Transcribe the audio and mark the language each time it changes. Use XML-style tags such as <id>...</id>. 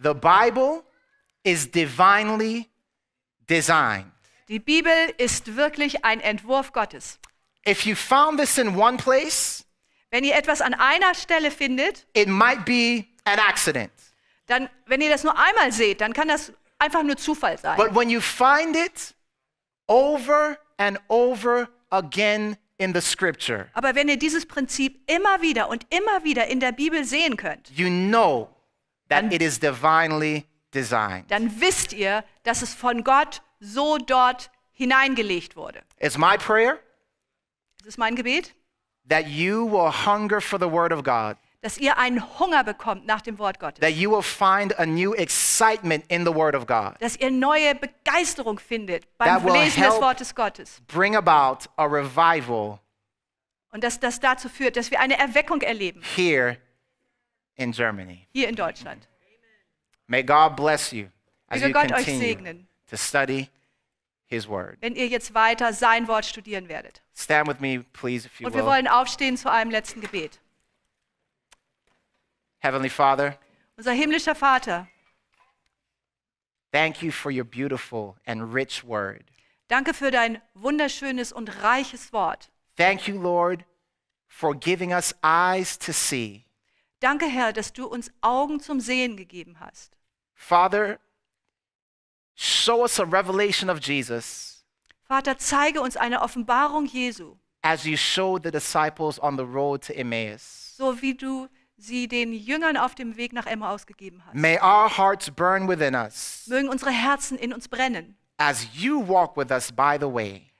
<en>The Bible is divinely designed.</en> <de>Die Bibel ist wirklich ein Entwurf Gottes.</de> <en>If you found this in one place,</en> <de>wenn ihr etwas an einer Stelle findet,</de> <en>it might be an accident.</en> <de>Dann, wenn ihr das nur einmal seht, dann kann das einfach nur Zufall sein.</de> <en>But when you find it over and over again in the scripture,</en> <de>aber wenn ihr dieses Prinzip immer wieder und immer wieder in der Bibel sehen könnt,</de> <en>you know that it is divinely designed.</en> <de>Dann wisst ihr, dass es von Gott so dort hineingelegt wurde.</de> <en>It's my prayer.</en> <de>Es ist mein Gebet.</de> <en>That you will hunger for the word of God.</en> <de>Dass ihr einen Hunger bekommt nach dem Wort Gottes.</de> <en>That you will find a new excitement in the word of God.</en> <de>Dass ihr neue Begeisterung findet beim Lesen des Wortes Gottes.</de> <en>Bring about a revival.</en> <de>Und dass das dazu führt, dass wir eine Erweckung erleben.</de> <en>Here in Germany.</en> <de>Hier in Deutschland.</de> <en>May God bless you as you continue.</en> <de>Möge Gott euch segnen.</de> <en>To study his word.</en> <de>Wenn ihr jetzt weiter sein Wort studieren werdet.</de> <en>Stand with me, please, if you will.</en> <de>Und wir wollen aufstehen zu einem letzten Gebet.</de> <en>Heavenly Father.</en> <de>Unser himmlischer Vater.</de> <en>Thank you for your beautiful and rich word.</en> <de>Danke für dein wunderschönes und reiches Wort.</de> <en>Thank you, Lord, for giving us eyes to see.</en> <de>Danke, Herr, dass du uns Augen zum Sehen gegeben hast.</de> <en>Father, show us a revelation of Jesus.</en> <de>Vater, zeige uns eine Offenbarung Jesu.</de> <en>As you show the disciples on the road to Emmaus.</en> <de>So wie du sie den Jüngern auf dem Weg nach Emmaus gegeben hast.</de> <en>May our hearts burn within us.</en> <de>Mögen unsere Herzen in uns brennen.</de> <en>As you walk with us by the way.</en>